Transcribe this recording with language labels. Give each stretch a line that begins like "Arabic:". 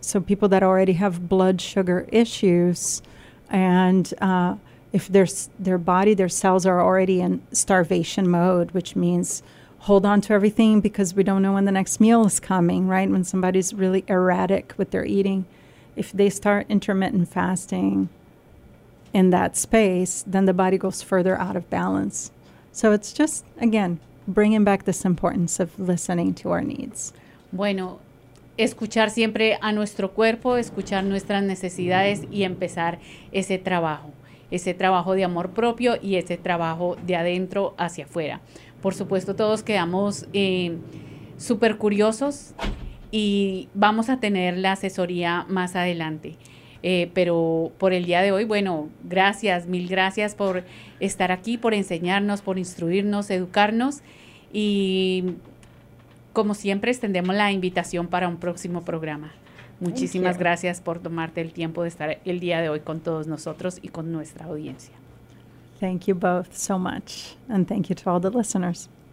English: So people that already have blood sugar issues, and if their body, their cells are already in starvation mode, which means hold on to everything because we don't know when the next meal is coming, right? When somebody's really erratic with their eating, if they start intermittent fasting in that space, then the body goes further out of balance. So it's just, again, bringing back this importance of listening to our needs.
Spanish: Bueno, escuchar siempre a nuestro cuerpo, escuchar nuestras necesidades y empezar ese trabajo de amor propio y ese trabajo de adentro hacia afuera. Por supuesto, todos quedamos súper curiosos y vamos a tener la asesoría más adelante. Pero por el día de hoy, bueno, gracias, mil gracias por estar aquí, por enseñarnos, por instruirnos, educarnos. Y como siempre, extendemos la invitación para un próximo programa. Muchísimas gracias por tomarte el tiempo de estar el día de hoy con todos nosotros y con nuestra audiencia.
English: Thank you both so much, and thank you to all the listeners.